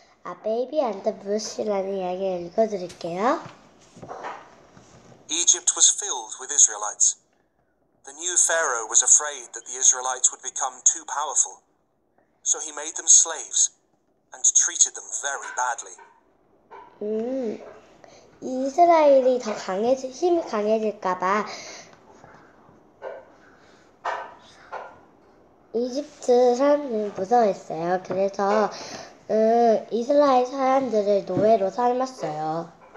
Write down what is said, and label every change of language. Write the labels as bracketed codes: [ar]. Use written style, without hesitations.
[ko] 아 베이비 앤더 부시라는 이야기를 읽어드릴게요. [en] Egypt was filled with Israelites. The new pharaoh was afraid that the Israelites would become too powerful. So he made them slaves and treated them very badly. [ko] 이스라엘이 더 강해지 힘이 강해질까 봐 이집트 사람들은 무서워했어요. 그래서 이스라엘 사람들을 노예로 삼았어요.